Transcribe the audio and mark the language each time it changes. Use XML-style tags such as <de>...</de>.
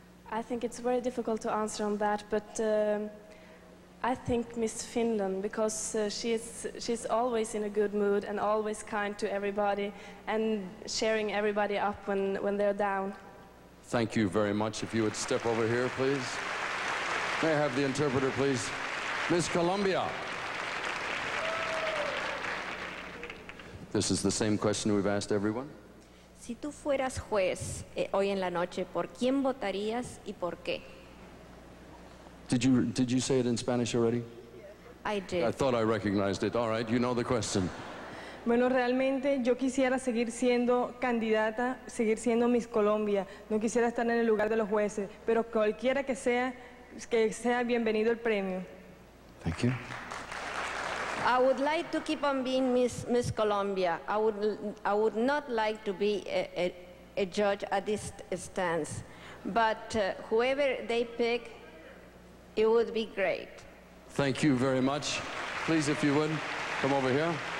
<en>I think it's very difficult to answer on that, but I think Miss Finland, because she's always in a good mood and always kind to everybody and cheering everybody up when they're down. Thank you very much. If you would step over here, please. May I have the interpreter, please? Miss Colombia. This is the same question we've asked everyone.</en> <es>Si tú fueras juez hoy en la noche, ¿por quién votarías y por qué?</es> <en>Did you say it in Spanish already? I did. I thought I recognized it. All right, you know the question.</en> <es>Bueno, realmente yo quisiera seguir siendo candidata, seguir siendo Miss Colombia. No quisiera estar en el lugar de los jueces, pero cualquiera que sea bienvenido el premio.</es> <en>Thank you. I would like to keep on being Miss Colombia. I would not like to be a judge at this stance, but whoever they pick, it would be great. Thank you very much. Please, if you would, come over here.</en>